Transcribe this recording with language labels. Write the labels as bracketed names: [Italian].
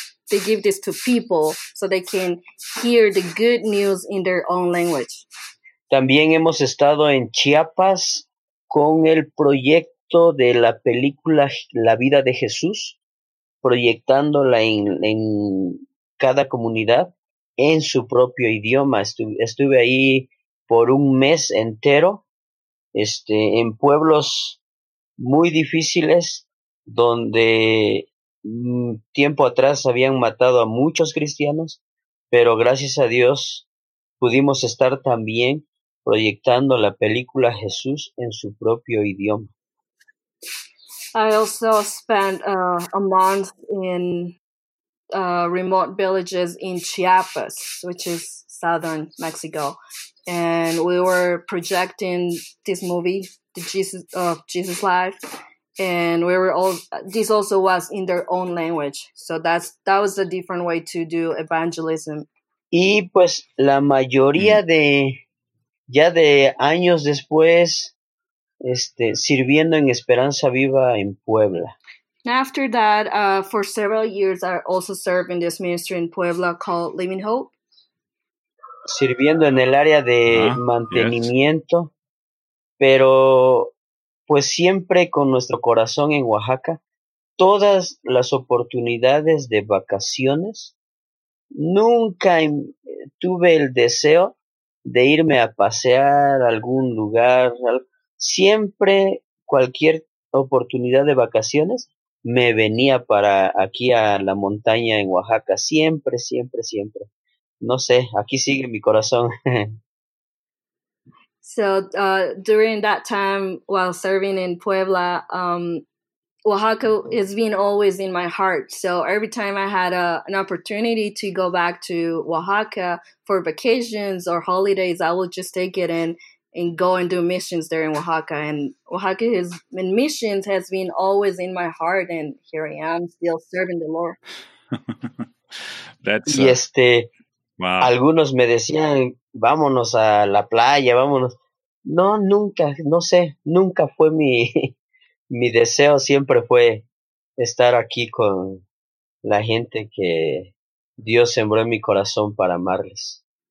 [English] They give this to people so they can hear the good news in their own language. [Spanish] También hemos estado en Chiapas con el proyecto de la película La Vida de Jesús, proyectándola en cada comunidad en su propio idioma. Estuve ahí por un mes entero, en pueblos muy difíciles donde tiempo atrás habían matado a muchos cristianos, pero gracias a Dios pudimos estar también proyectando la película Jesús en su propio idioma. [English] I also spent a month in remote villages in Chiapas, which is southern Mexico, and we were projecting this movie, The Jesus of Jesus Life. And we were all, this also was in their own language. So that was a different way to do evangelism. [Spanish] Y pues la mayoría de años después, sirviendo en Esperanza Viva en Puebla. [English] And after that, for several years, I also served in this ministry in Puebla called Living Hope. [Spanish] Sirviendo en el área de mantenimiento, pero pues siempre con nuestro corazón en Oaxaca, todas las oportunidades de vacaciones, nunca tuve el deseo de irme a pasear a algún lugar. Siempre cualquier oportunidad de vacaciones me venía para aquí a la montaña en Oaxaca. Siempre, siempre, siempre. No sé, aquí sigue mi corazón. [English] So during that time while serving in Puebla, Oaxaca has been always in my heart. So every time I had an opportunity to go back to Oaxaca for vacations or holidays, I would just take it and go and do missions there in Oaxaca. And Oaxaca and missions has been always in my heart, and here I am still serving the Lord. That's wow. [Spanish] Algunos me decían, vámonos a la playa, vámonos. No, nunca, no sé, nunca fue mi deseo, siempre fue estar aquí con la gente que Dios sembró en mi corazón para amarles.